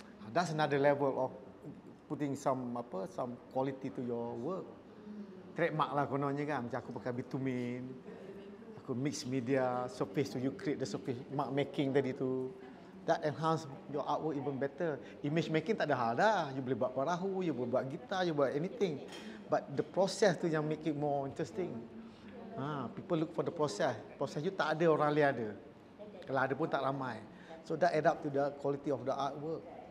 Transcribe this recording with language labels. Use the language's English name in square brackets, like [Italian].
[English] That's another level of putting some quality to your work. [Malay] Trademark lah kononnya kan, macam aku pakai bitumen, aku mix media, surface tu, [English] you create the surface mark making [Malay] tadi tu. [English] That enhance your artwork even better. [Malay] Image making tak ada hal dah. You boleh buat perahu, you boleh buat gitar, you buat anything. [English] But the process [Malay] tu yang [English] make it more interesting. People look for the process. [Malay] Process you tak ada, orang lain ada. Kalau ada pun tak ramai. [English] So that add up to the quality of the artwork.